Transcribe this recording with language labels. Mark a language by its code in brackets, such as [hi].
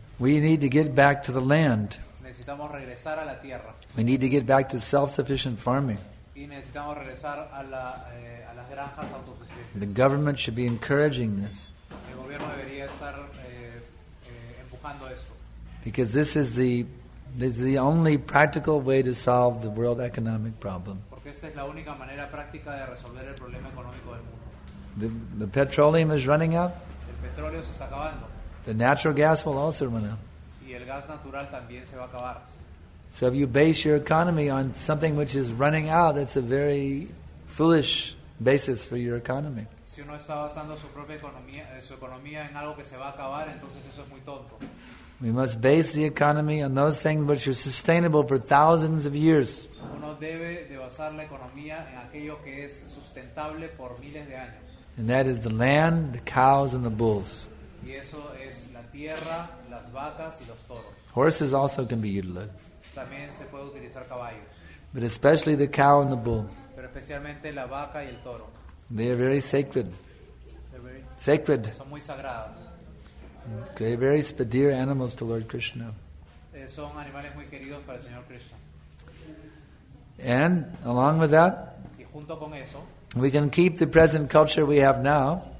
[en] We need to get back to the land. [es] Necesitamos regresar a la tierra. [en] We need to get back to self-sufficient farming. [es] Y necesitamos regresar a la, a las granjas autosuficientes. [en] The government should be encouraging this. [es] El gobierno debería estar empujando esto. [en] Because this is the only practical way to solve the world economic problem. [es] Porque esta es la única manera práctica de resolver el problema económico del mundo. [en] The petroleum is running out. [es] El petróleo se está acabando. [en] The natural gas will also run out. [es] Y el gas natural también se va a acabar. [en] So if you base your economy on something which is running out, that's a very foolish basis for your economy. [es] Si uno está basando su propia economía, su economía en algo que se va a acabar, entonces eso es muy tonto. [en] We must base the economy on those things which are sustainable for thousands of years. [es] Uno debe de basar la economía en aquello que es sustentable por miles de años. [en] And that is the land, the cows, and the bulls. [es] Y eso es la tierra, las vacas y los toros. [en] Horses also can be utilized. [es] También se puede utilizar caballos. [en] But especially the cow and the bull. [es] Pero especialmente la vaca y el toro. [en] They are very sacred. They're very sacred. [es] Son muy sagradas. [en] They're very dear animals to Lord Krishna. [es] Son animales muy queridos para el Señor Krishna. [en] And along with that, [es] y junto con eso, [en] we can keep the present culture we have now.